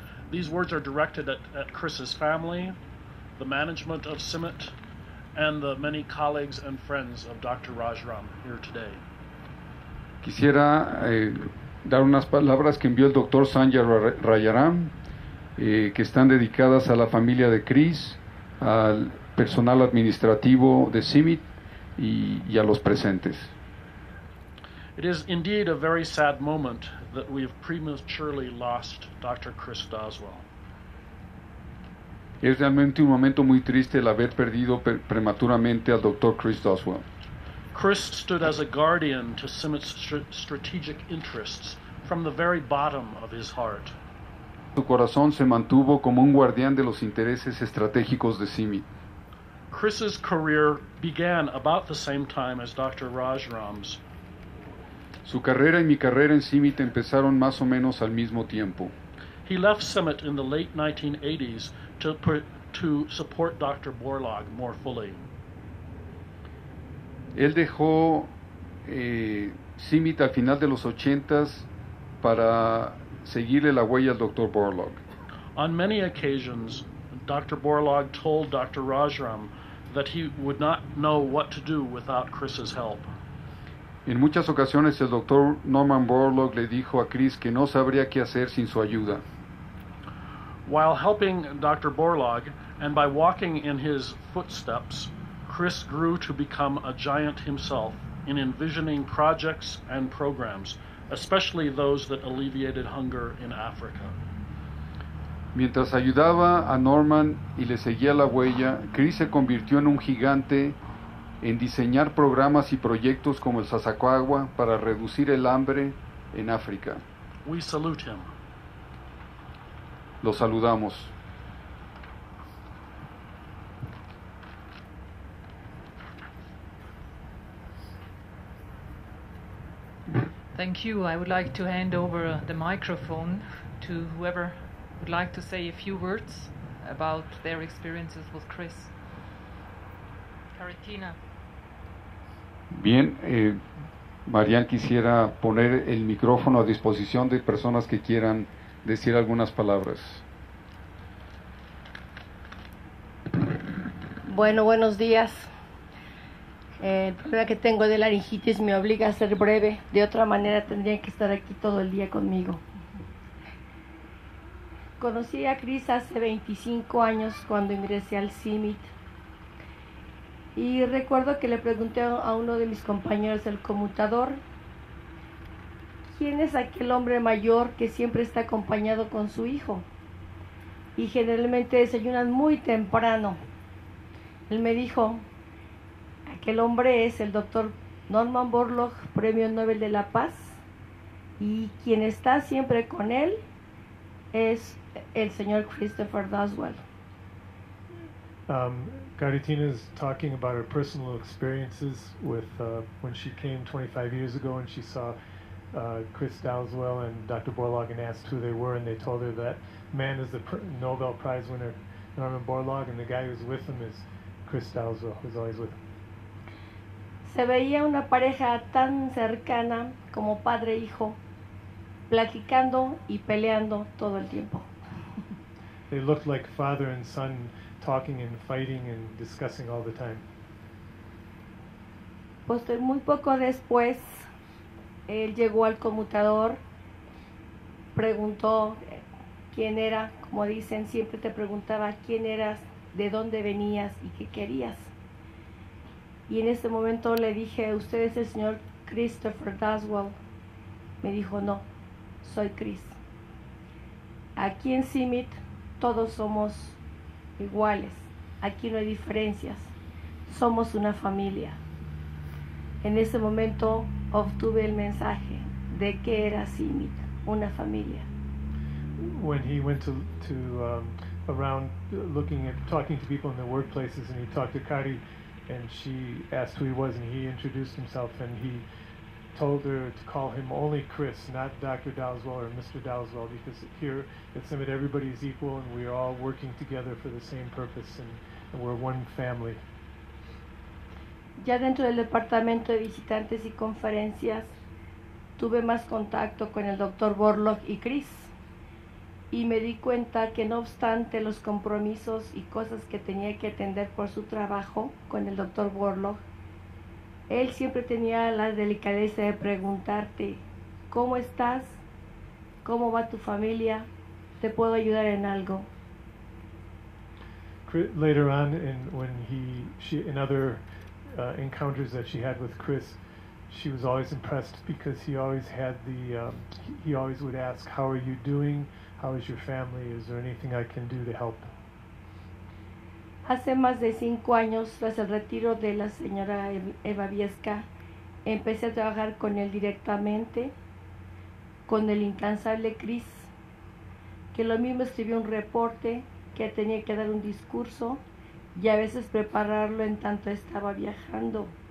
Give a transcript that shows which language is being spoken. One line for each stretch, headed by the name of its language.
English: These words are directed at Chris's family, the management of Simit, and the many colleagues and friends of Dr. Rajaram here today.
Spanish: Quisiera dar unas palabras que envió el Dr. Sanjay Rajaram, que están dedicadas a la familia de Chris, al personal administrativo de CIMIT y a los presentes.
English: It is indeed a very sad moment that we have prematurely lost Dr. Chris Doswell.
Spanish: Es realmente un momento muy triste el haber perdido prematuramente al Dr. Chris Doswell.
English: Chris stood as a guardian to CIMIT's strategic interests from the very bottom of his heart.
Spanish: Su corazón se mantuvo como un guardián de los intereses estratégicos de CIMIT.
English: Chris's career began about the same time as Dr. Rajaram's.
Spanish: Su carrera y mi carrera en CIMIT empezaron más o menos al mismo tiempo.
English: He left CIMIT in the late 1980s to support Dr. Borlaug more fully.
Spanish: Él dejó CIMIT al final de los 80s para seguirle la huella al Dr. Borlaug.
English: On many occasions, Dr. Borlaug told Dr. Rajaram that he would not know what to do without Chris's help.
Spanish: En muchas ocasiones el Dr. Norman Borlaug le dijo a Chris que no sabría qué hacer sin su ayuda.
English: While helping Dr. Borlaug and by walking in his footsteps, Chris grew to become a giant himself in envisioning projects and programs, especially those that alleviated hunger in Africa.
Spanish: Mientras ayudaba a Norman y le seguía la huella, Chris se convirtió en un gigante en diseñar programas y proyectos como el Sasakawa para reducir el hambre en África.
English: We salute him.
Spanish: Lo saludamos.
English: Thank you. I would like to hand over the microphone to whoever would like to say a few words about their experiences with Chris. Caritina.
Spanish: Bien, Marianne, quisiera poner el micrófono a disposición de personas que quieran decir algunas palabras. Bueno, buenos días. El problema que tengo de laringitis me obliga a ser breve. De otra manera, tendría que estar aquí todo el día conmigo. Conocí a Chris hace 25 años cuando ingresé al CIMIT. Y recuerdo que le pregunté a uno de mis compañeros del conmutador, ¿quién es aquel hombre mayor que siempre está acompañado con su hijo? Y generalmente desayunan muy temprano. Él me dijo, aquel hombre es el doctor Norman Borlaug, Premio Nobel de la Paz, y quien está siempre con él es el señor Christopher Doswell.
English: Caritina is talking about her personal experiences with when she came 25 years ago and she saw Chris Doswell and Dr. Borlaug and asked who they were, and they told her that man is the Nobel Prize winner Norman Borlaug and the guy who's with him is Chris Doswell, who's always with him.
Spanish: Se veía una pareja tan cercana como padre e hijo, platicando y peleando todo el tiempo.
English: They looked like father and son, talking and fighting and discussing all the time.
Spanish: Muy poco después, él llegó al conmutador, preguntó quién era, como dicen, siempre te preguntaba quién eras, de dónde venías y qué querías. Y en ese momento le dije, ¿usted es el señor Christopher Doswell? Me dijo, no, soy Chris. Aquí en CIMIT todos somos iguales, aquí no hay diferencias, somos una familia. En ese momento obtuve el mensaje de que era CIMIT, una familia.
English: When he went to around looking at talking to people in the workplaces, and he talked to Kari, and she asked who he was, and he introduced himself, and he told her to call him only Chris, not Dr. Doswell or Mr. Doswell, because here at CIMIT everybody is equal and we are all working together for the same purpose, and we're one family.
Spanish: Ya dentro del departamento de visitantes y conferencias tuve más contacto con el Dr. Borlaug y Chris, y me di cuenta que no obstante los compromisos y cosas que tenía que atender por su trabajo con el doctor Borloff, él siempre tenía la delicadeza de preguntarte, ¿cómo estás? ¿Cómo va tu familia? ¿Te puedo ayudar en algo?
English: Later on, and when in other encounters that she had with Chris, she was always impressed because he always had the he always would ask, "How are you doing? How is your family? Is there anything I can do to help?"
Spanish: Hace más de 5 años, tras el retiro de la señora Eva Viesca, empecé a trabajar con él directamente, con el incansable Chris, que lo mismo escribió un reporte, que tenía que dar un discurso y a veces prepararlo en tanto estaba viajando.